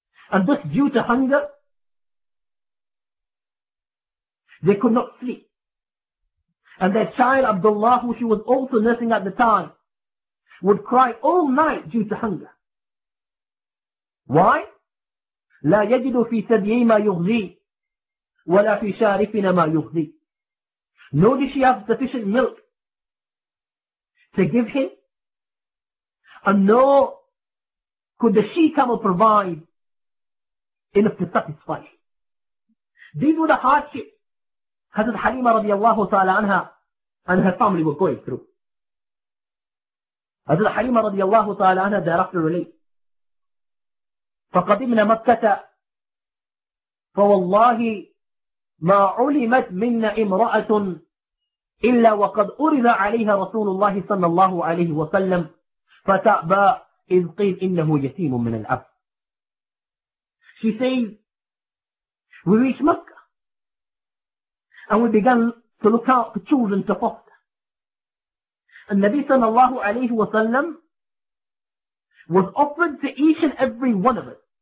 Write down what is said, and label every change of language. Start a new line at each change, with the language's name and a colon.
English: And thus due to hunger, they could not sleep. And their child Abdullah, who she was also nursing at the time, would cry all night due to hunger. Why?
Arabic: لا يجد في ثديه ما يغذي ولا في شارفنا ما يغذي.
English: Notice he has sufficient milk to give him, and nor could the she-camel provide enough to satisfy him. These were the hardships Hazrat Halima radiallahu ta'ala anha and her family were going through. Hazrat Halima radiallahu ta'ala anha directly relayed,
Arabic: فَقَدِمْنَا مَكَّةَ فَوَاللَّهِ مَا عُلِمَتْ مِنَّ إِمْرَأَةٌ إِلَّا وَقَدْ أُرِضَ عَلَيْهَا رَسُولُ اللَّهِ صَلَّى اللَّهُ عَلَيْهِ وَسَلَّمْ فَتَأْبَى إِذْ قِيلَ إِنَّهُ يَتِيمٌ مِنَ الْأَبِ.
English: She says, we reached Mecca and we began to look out for children to foster. And Nabi صلى الله عليه وسلم was offered to each and every one of us.